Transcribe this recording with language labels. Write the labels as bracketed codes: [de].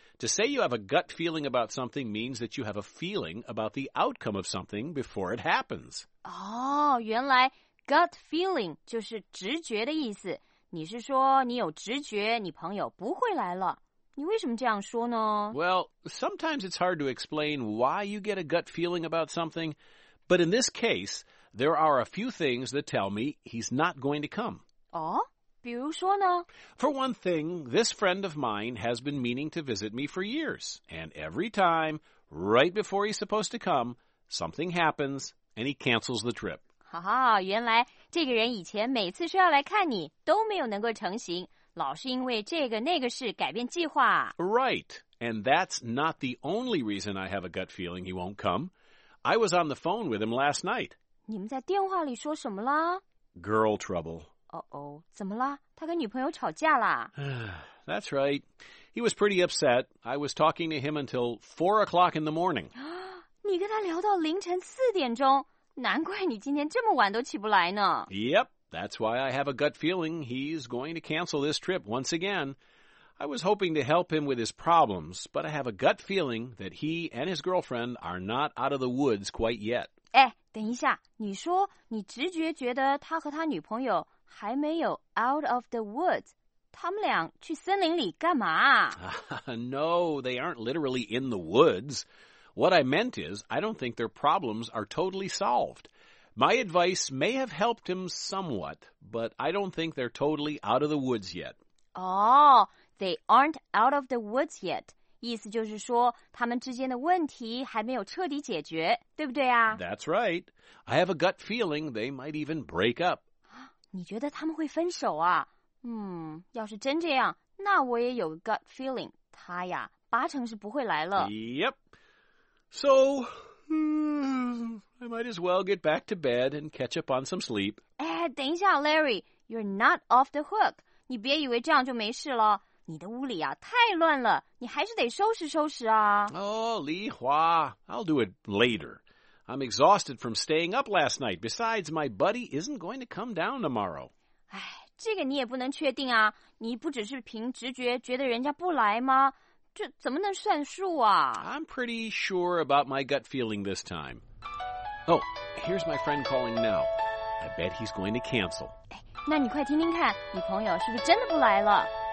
[en] To say you have a gut feeling about something means that you have a feeling about the outcome of something before it happens. [zh] 原来Gut feeling 就是直觉的意思。你是说你有直觉你朋友不会来了。你为什么这样说呢？ [en] Well, sometimes it's hard to explain why you get a gut feeling about something. But in this case, there are a few things that tell me he's not going to come. [zh] 比如说呢？ [en] For one thing, this friend of mine has been meaning to visit me for years. And every time, right before he's supposed to come, something happens and he cancels the trip. [zh] 原来这个人以前每次说要来看你都没有能够成行，老是因为这个那个事改变计划。 [en] Right, and that's not the only reason I have a gut feeling he won't come. I was on the phone with him last night. [zh] 你们在电话里说什么啦？ [en] Girl trouble. [zh] 怎么啦？他跟女朋友吵架啦？ [en] That's right. He was pretty upset. I was talking to him until 4 o'clock in the morning. [zh] 你跟他聊到凌晨4点钟？难怪你今天这么晚都起不来呢。 [en] Yep, that's why I have a gut feeling he's going to cancel this trip once again. I was hoping to help him with his problems, but I have a gut feeling that he and his girlfriend are not out of the woods quite yet. [zh] 等一下，你说你直觉觉得他和他女朋友还没有 [en] out of the woods, [zh] 他们俩去森林里干嘛 [en] No, they aren't literally in the woods. What I meant is, I don't think their problems are totally solved. My advice may have helped him somewhat, but I don't think they're totally out of the woods yet. Oh, they aren't out of the woods yet. [zh] 意思就是说他们之间的问题还没有彻底解决，对不对啊 [en] That's right. I have a gut feeling they might even break up. [zh] 你觉得他们会分手啊要是真这样，那我也有 gut feeling， 他呀，八成是不会来了。 [en] Yep. So, I might as well get back to bed and catch up on some sleep. [zh] 哎，等一下 [en] ，Larry， you're not off the hook. [zh] 你别以为这样就没事了。你的屋里啊，太乱了，你还是得收拾收拾啊。 [en] Oh, Li Hua, I'll do it later. I'm exhausted from staying up last night. Besides, my buddy isn't going to come down tomorrow. [zh] 哎。这个你也不能确定啊，你不只是凭直觉觉得人家不来吗？这怎么能算数啊 [en] ？I'm pretty sure about my gut feeling this time. Oh, here's my friend calling now. I bet he's going to cancel. [zh] 那你快听听看，你朋友是不是真的不来了